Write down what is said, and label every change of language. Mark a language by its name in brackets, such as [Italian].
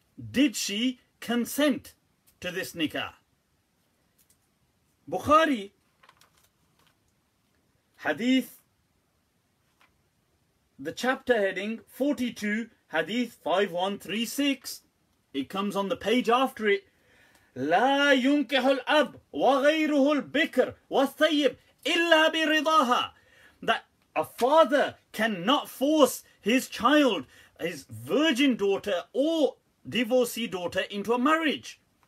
[English] Did she consent to this nikah? Bukhari. Hadith. The chapter heading 42. Hadith 5136. It comes on the page after it. [Arabic] لا ينكح الأب وغيره البكر والثيب إلا برضاها. [English] That a father cannot force his child, his virgin daughter or divorcee daughter, into a marriage.